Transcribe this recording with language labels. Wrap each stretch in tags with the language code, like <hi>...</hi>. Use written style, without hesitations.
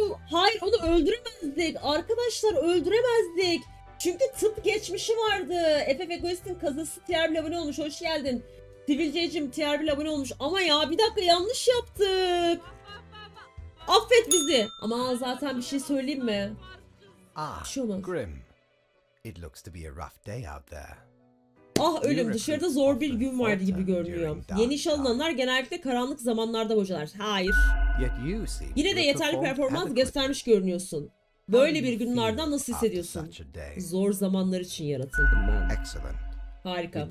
<tr>Hayır, onu öldüremezdik. Arkadaşlar, öldüremezdik. Çünkü tıp geçmişi vardı. FF Egoist'in kazası TRB'le abone olmuş. Hoş geldin. Sivilce'cim TRB'le abone olmuş. Ama ya bir dakika, yanlış yaptık. Affet bizi. Ama zaten bir şey söyleyeyim mi?</tr> <en>Ah, grim. It looks to be a rough day out there.</en> <tr>Ah ölüm, dışarıda zor bir gün vardı gibi görünüyor. Yeni iş alınanlar genellikle karanlık zamanlarda hocalar. Hayır. Yine de yeterli performans göstermiş görünüyorsun. Böyle bir günlerden nasıl hissediyorsun? Zor zamanlar için yaratıldım ben. Harika.</tr>